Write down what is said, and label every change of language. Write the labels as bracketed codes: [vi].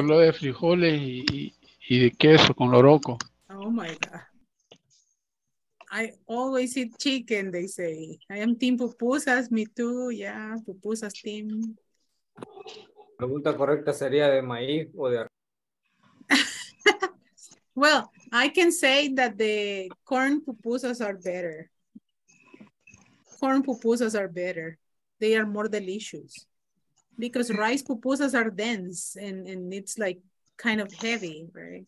[es] Solo de frijoles y de queso con loroco. [en] Oh my God. I always eat chicken, they say. I am team pupusas, me too, yeah, pupusas team. [es] La pregunta correcta sería de maíz o de arroz. [en] Well, I can say that the corn pupusas are better. Corn pupusas are better. They are more delicious. Because rice pupusas are dense and it's like kind of heavy, right?